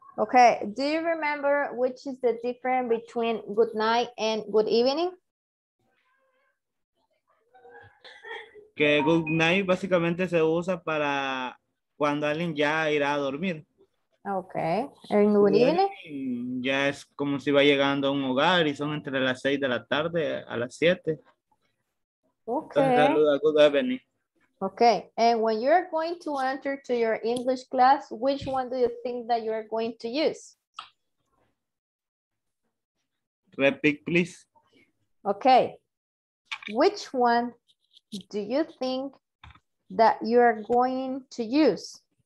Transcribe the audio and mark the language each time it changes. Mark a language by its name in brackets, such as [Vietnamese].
[English] Okay, do you remember which is the difference between good night and good evening? [Spanish] Que good night básicamente se usa para cuando alguien ya irá a dormir. [English] Okay, and good evening? [Spanish] Ya es como si va llegando a un hogar y son entre las 6 de la tarde a las 7. [English] Okay. Saluda, good evening. Okay, and when you're going to enter to your English class, which one do you think that you are going to use? Repeat, please. Okay, which one do you think that you are going to use?